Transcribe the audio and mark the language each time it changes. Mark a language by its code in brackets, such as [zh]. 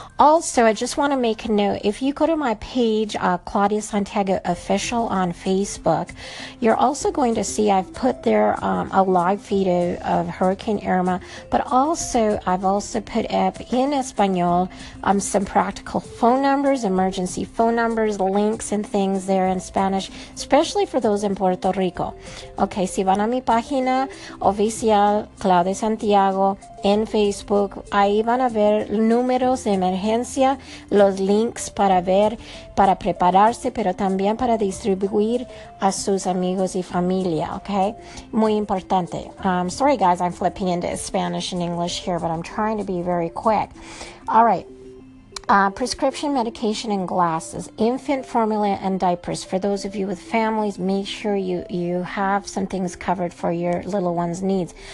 [en] Also, I just want to make a note, if you go to my page, Claudia Santiago Official on Facebook, you're also going to see I've put there a live feed of Hurricane Irma, but also I've also put up in Espanol some practical phone numbers, emergency phone numbers, links and things there in Spanish, especially for those in Puerto Rico. [es] Okay, si van a mi página oficial Claudia Santiago en Facebook, ahí van a ver números de emergencia, los links para ver, para prepararse, pero también para distribuir a sus amigos y familia. Okay, muy importante. [en] Sorry guys, I'm flipping into Spanish and English here, but I'm trying to be very quick. All right. Prescription medication and glasses, infant formula and diapers. For those of you with families, make sure you have some things covered for your little one's needs.